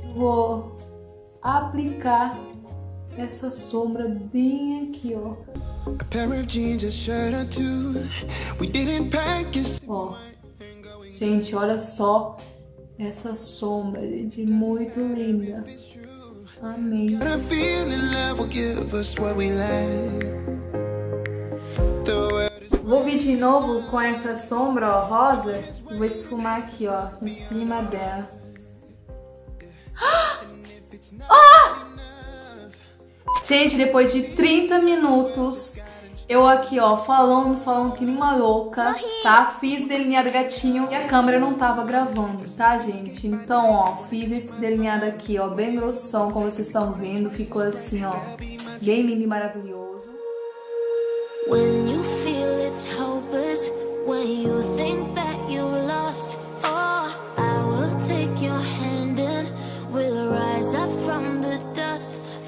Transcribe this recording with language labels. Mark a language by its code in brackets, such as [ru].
[pt] Vou aplicar essa sombra bem aqui, ó. [en] A pair of jeans, a shirt or two. We didn't pack it. [pt] Ó, gente, olha só essa sombra, gente, muito linda. Amei. [en] A feeling love will give us what we like. [pt] Vou vir de novo com essa sombra, ó, rosa. Vou esfumar aqui, ó, em cima dela. Oh! Gente, depois de 30 minutos, eu aqui, ó, falando que nem uma louca, tá? Fiz delineado gatinho e a câmera não tava gravando, tá, gente? Então, ó, fiz esse delineado aqui, ó, bem grossão, como vocês estão vendo. Ficou assim, ó, bem lindo e maravilhoso. [en] When you feel it's hopeless, when you think that you lost, oh, I will take your hand and we'll rise up from the dust.